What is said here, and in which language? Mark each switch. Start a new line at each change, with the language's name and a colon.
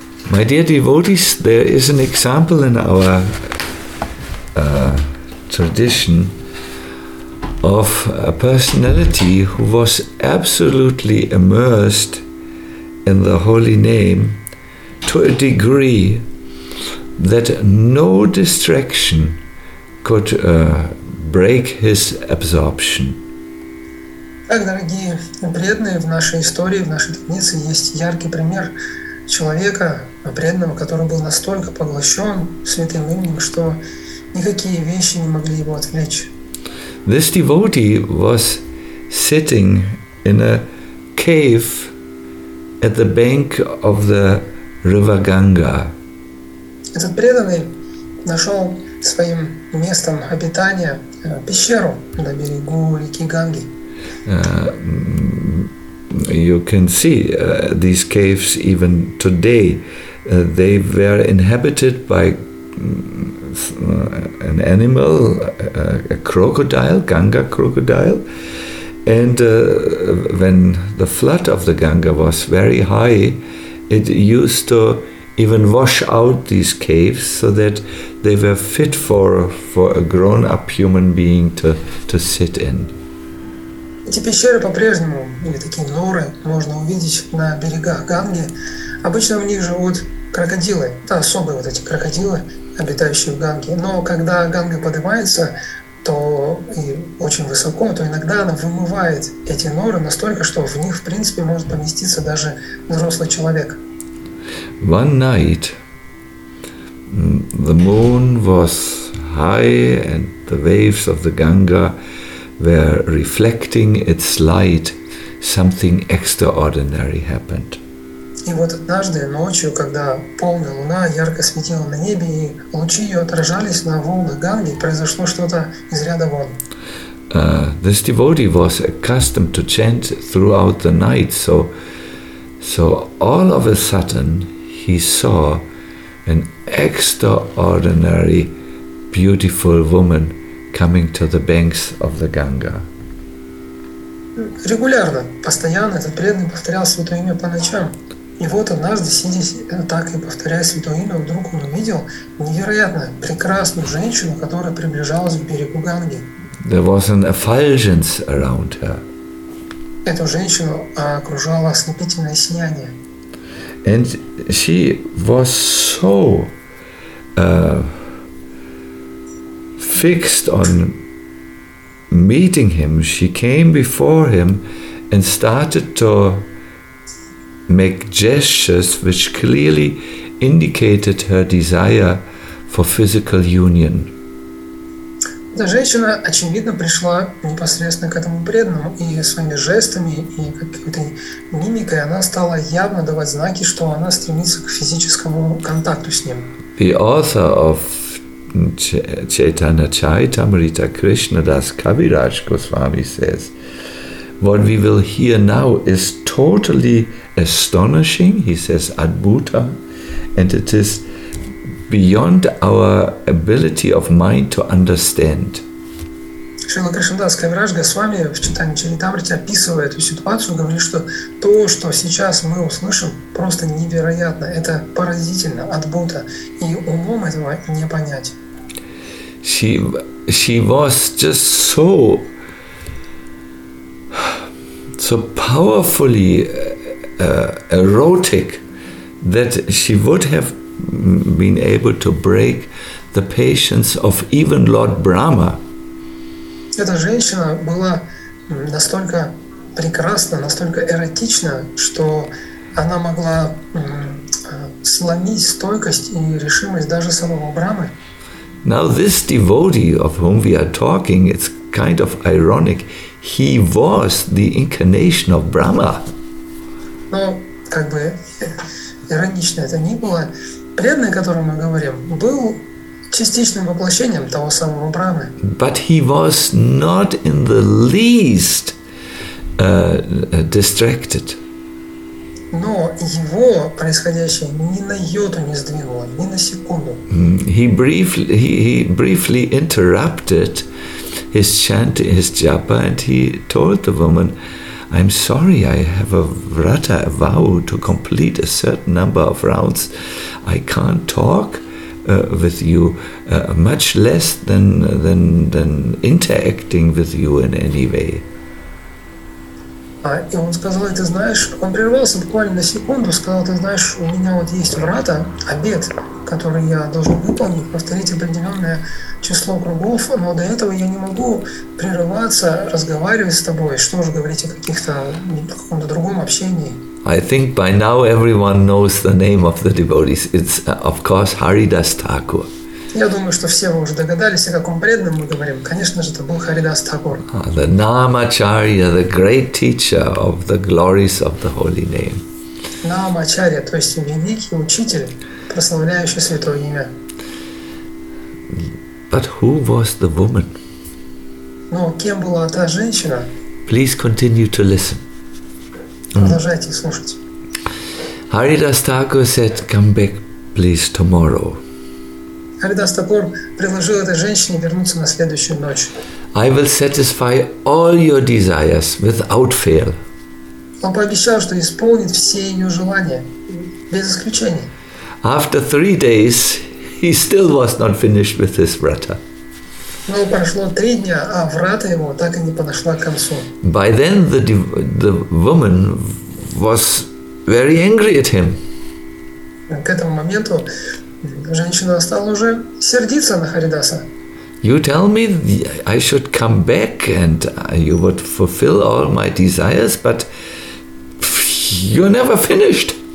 English: My dear devotees, there is an example in our tradition of a personality who was absolutely immersed in the holy name to a degree that no distraction could break his absorption.
Russian: Так, дорогие преданные, в нашей истории, в нашей традиции есть яркий пример человека преданного, который был настолько поглощен святым именем, что никакие вещи не могли его отвлечь.
English: This devotee was sitting in a cave at the bank of the river Ganga.
Russian: Этот преданный нашел своим местом обитания пещеру на берегу реки Ганги.
English: You can see these caves even today. They were inhabited by an animal, a crocodile, Ganga crocodile. And when the flood of the Ganga was very high, it used to even wash out these caves so that they were fit for a grown-up human being to sit in.
Russian: Эти пещеры по-прежнему, или такие норы, можно увидеть на берегах Ганги. Обычно в них живут крокодилы, это особые вот эти крокодилы, обитающие в Ганге. Но когда Ганга поднимается, то и очень высоко, то иногда она вымывает эти норы настолько, что в них, в принципе, может поместиться даже взрослый человек.
English: One night the moon was high and the waves of the Ganga where reflecting its light, something extraordinary happened.
Russian: И вот однажды ночью, когда полная луна ярко светила на небе, и лучи ее отражались на волнах Ганги, произошло что-то из ряда вон.
English: this devotee was accustomed to chant throughout the night, so all of a sudden he saw an extraordinary beautiful woman coming to the banks of the Ganga.
Russian: Регулярно, постоянно этот преданный повторял святое имя по ночам. И вот однажды, сидя так и повторяя святое имя, вдруг он увидел невероятно прекрасную женщину, которая приближалась к берегу Ганги.
English: There was an effulgence around her.
Russian: Эту женщину окружало ослепительное сияние.
English: And she was so fixed on meeting him, she came before him and started to make gestures which clearly indicated her desire for physical union.
Russian: Эта женщина, очевидно, пришла непосредственно к этому преданному, и своими жестами и какой-то мимикой она стала явно давать знаки, что она стремится к физическому контакту с ним.
English: The author of Chaitanya Charitamrita, Krishna Das Kaviraj Goswami, says, "What we will hear now is totally astonishing," he says, "adbhuta, and it is beyond our ability of mind to understand."
Russian: Шрила Кришнадас Кавираж Госвами в Читании Чаритамрите описывает эту ситуацию, говорит, что то, что сейчас мы услышим, просто невероятно, это поразительно, адбхута, и умом этого не понять.
English: She was just so powerfully erotic that she would have been able to break the patience of even Lord Brahma.
Russian: Эта женщина была настолько прекрасна, настолько эротична, что она могла сломить стойкость и решимость даже самого Брамы.
English: Now this devotee of whom we are talking, it's kind of ironic, he was the incarnation of Brahma.
Russian: Но как бы иронично это ни было, преданный, о котором мы говорим, был частичным воплощением того самого Брамы.
English: But he was not in the least distracted.
Russian: Но его происходящее ни на йоту не сдвинуло, ни на секунду.
English: He briefly interrupted his chant, his japa, and he told the woman, "I'm sorry, I have a vrata, a vow to complete a certain number of rounds. I can't talk with you, much less than interacting with you in any way."
Russian: И он сказал, ты знаешь, он прервался буквально на секунду, сказал, ты знаешь, у меня вот есть врата, обет, который я должен выполнить, повторить определенное число кругов, но до этого я не могу прерываться, разговаривать с тобой, что же говорить о каких-то, каком-то другом общении.
English: I think by now everyone knows the name of the devotees. It's, of course, Haridas Thakur.
Russian: Я думаю, что все вы уже догадались, о каком преданном мы говорим. Конечно же, это был Харидас Тхакур.
English: The Namacharya, the great teacher of the glories of the holy name.
Russian: Namacharya, то есть великий учитель, прославляющий святое имя.
English: But who was the woman?
Russian: Но кем была та женщина?
English: Please continue to listen.
Russian: Продолжайте слушать.
English: Haridas Thakur said, "Come back, please, tomorrow."
Russian: Харидас Тхакур предложил этой женщине вернуться на следующую ночь.
English: I will satisfy all your desires without fail.
Russian: Он пообещал, что исполнит все ее желания, без исключения.
English: After 3 days, he still was not finished with his vrata.
Russian: Но прошло 3 дня, а врата его так и не подошла к концу.
English: By then the woman was very angry at him.
Russian: К этому моменту женщина стала уже сердиться на Харидаса.
English: You tell me I should come back and you would fulfill all my desires, but you're never finished.